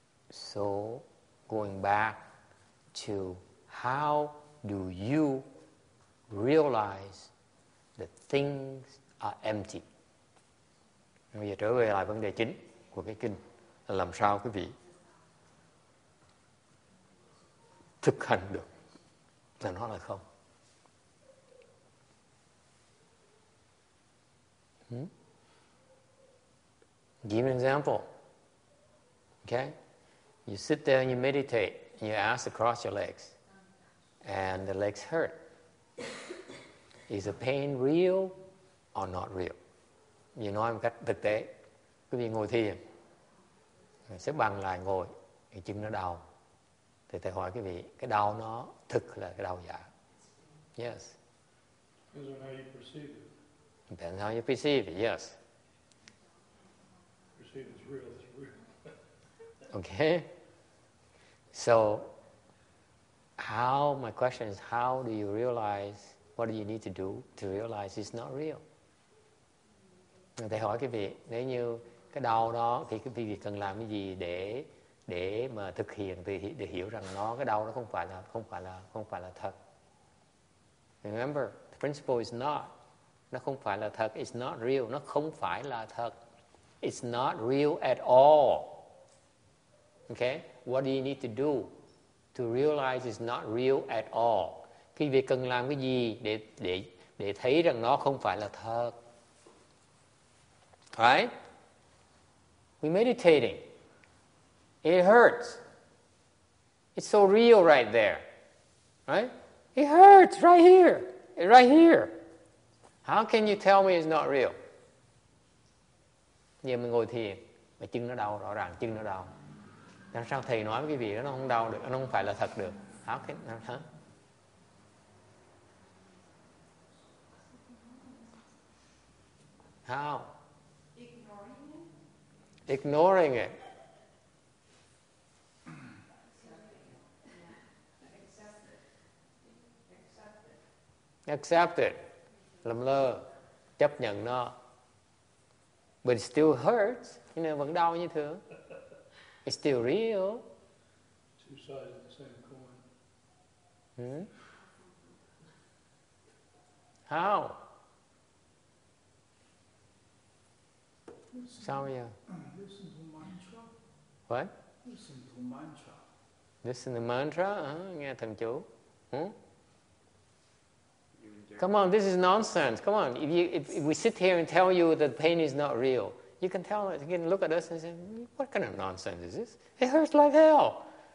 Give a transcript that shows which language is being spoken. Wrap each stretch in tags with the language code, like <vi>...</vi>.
<en>So, going back to how do you realize that things are empty?</en> <vi>Bây giờ trở về lại vấn đề chính của cái kinh là làm sao quý vị thực hành được là nó là không.</vi> <en>Give an example. Okay? You sit there and you meditate and your ass across your legs and the legs hurt. Is the pain real or not real? You know, I'm</en> <vi>cách thực tế. Quý vị ngồi thiền, xếp bằng lại ngồi, chân nó đau. Thì thầy hỏi quý vị, cái đau nó thực là cái đau giả.</vi> <en>Yes. Depends on how you perceive it. Depends how you perceive it, yes. Perceive it's real, it's real. Okay. So, my question is, how do you realize, what do you need to do to realize it's not real?</en> <vi>Thầy hỏi quý vị, nếu như cái đau đó, thì quý vị cần làm cái gì để mà thực hiện, để hiểu rằng nó, cái đau nó không phải là thật.</vi> <en>Remember, the principle is not.</en> <vi>Nó không phải là thật.</vi> <en>It's not real.</en> <vi>Nó không phải là thật.</vi> <en>It's not real at all. Okay? What do you need to do to realize it's not real at all?</en> <vi>Quý vị cần làm cái gì để thấy rằng nó không phải là thật?</vi> <en>Right? We're meditating. It hurts. It's so real right there. Right? It hurts right here. Right here. How can you tell me it's not real?</en> <vi>Giờ mình ngồi thiền, mà chân nó đau, rõ ràng chân nó đau. Làm sao thầy nói với cái vị đó nó không đau được, nó không phải là thật được.</vi> <en>How can, huh? How? Ignoring it. Accept it.</en> <vi>Lầm lơ, chấp nhận nó.</vi> <en>But it still hurts, you know,</en> <vi>vẫn đau như thường.</vi> <en>It's still real. Two sides of the same coin. How?</en> <vi>Sao vậy?</vi> <en>This is a mantra. What? Listen to mantra. Listen to mantra,</en> <vi>nghe thần chú.</vi> <en>Come on, this is nonsense. Come on, if we sit here and tell you that pain is not real, you can tell, you can look at us and say, what kind of nonsense is this? It hurts like hell.</en>